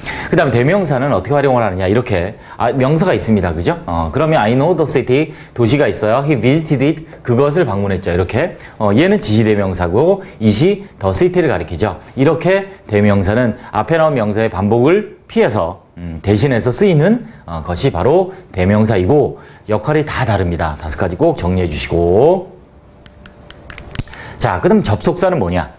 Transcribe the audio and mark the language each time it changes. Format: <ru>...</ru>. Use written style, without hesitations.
<ko>그 다음에 대명사는 어떻게 활용을 하느냐, 이렇게 명사가 있습니다. 그죠?</ko> <en>그러면 I know the city,</en> <ko>도시가 있어요.</ko> <en>He visited it,</en> <ko>그것을 방문했죠. 이렇게 얘는 지시대명사고 이시 the city를 가리키죠. 이렇게 대명사는 앞에 나온 명사의 반복을 피해서 대신해서 쓰이는 것이 바로 대명사이고 역할이 다 다릅니다. 다섯 가지 꼭 정리해 주시고, 자, 그럼 접속사는 뭐냐?</ko>